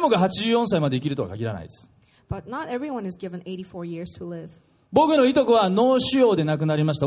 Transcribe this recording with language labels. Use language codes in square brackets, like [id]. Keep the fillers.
[ja] もが84歳まで生きるとは限らないです [en] But not everyone is given 84 years to live. [ja] 僕のいとこは脳腫瘍で亡くなりました。